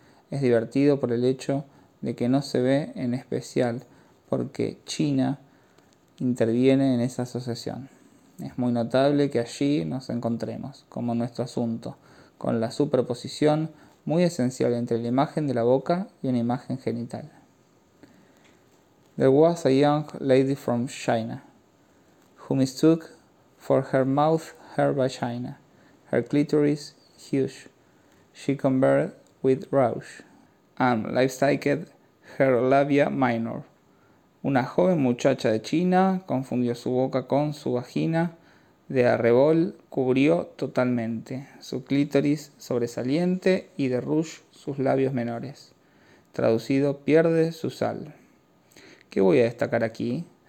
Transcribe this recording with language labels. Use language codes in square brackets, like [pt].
[es] Es divertido por el hecho de que no se ve en especial porque China interviene en esa asociación. Es muy notable que allí nos encontremos, como nuestro asunto, con la superposición muy esencial entre la imagen de la boca y una imagen genital. [en] There was a young lady from China, who mistook for her mouth her vagina, her clitoris huge, she converted with rouge. And life-sized her labia minor. [es] Una joven muchacha de China confundió su boca con su vagina de arrebol, cubrió totalmente su clítoris sobresaliente y de rouge sus labios menores. Traducido, pierde su sal. ¿Qué voy a destacar aquí?